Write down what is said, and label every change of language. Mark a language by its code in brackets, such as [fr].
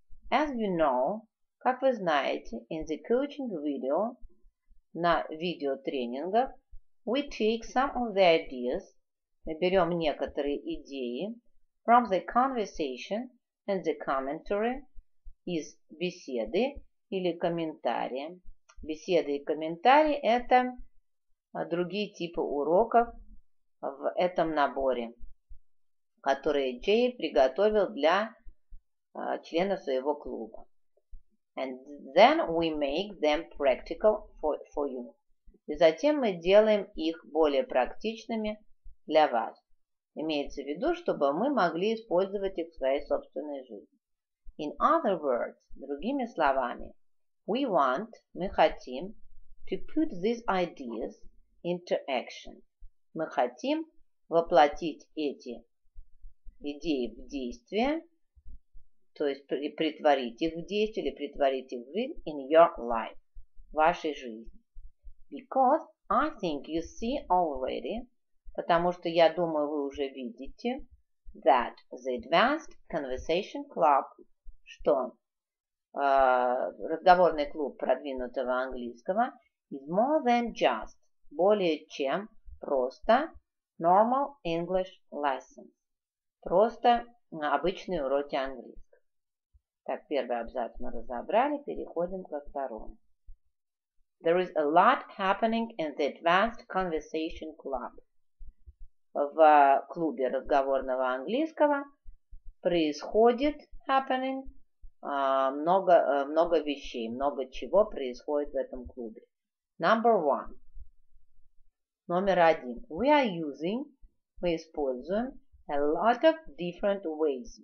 [en] As you know, [ru] как вы знаете, [en] in the coaching video, [ru] на видеотренингах, [en] we take some of the ideas, [ru] мы берем некоторые идеи [en] from the conversation and the commentary, [ru] из беседы или комментария. Беседы и комментарии – это другие типы уроков в этом наборе, которые Джей приготовил для члена своего клуба. [en] And then we make them practical for you. [ru] И затем мы делаем их более практичными для вас. Имеется в виду, чтобы мы могли использовать их в своей собственной жизни. [en] In other words, [ru] другими словами, [en] we want, [ru] мы хотим, [en] to put these ideas into action. [ru] Мы хотим воплотить эти идеи в действие, то есть притворить их в действие или притворить их в жизнь [en] in your life, [ru] в вашей жизни. [en] Because I think you see already, [ru] потому что я думаю, вы уже видите, [en] that the Advanced Conversation Club, [ru] что разговорный клуб продвинутого английского, [en] is more than just, [ru] более чем просто [en] normal English lessons, [ru] просто обычные уроки английского. Так, первый абзац мы разобрали, переходим ко второму. [en] There is a lot happening in the Advanced Conversation Club. [ru] В клубе разговорного английского происходит happening много вещей, много чего происходит в этом клубе. [en] Number one. [ru] Номер один. [en] We are using, [ru] мы используем [en] a lot of different ways.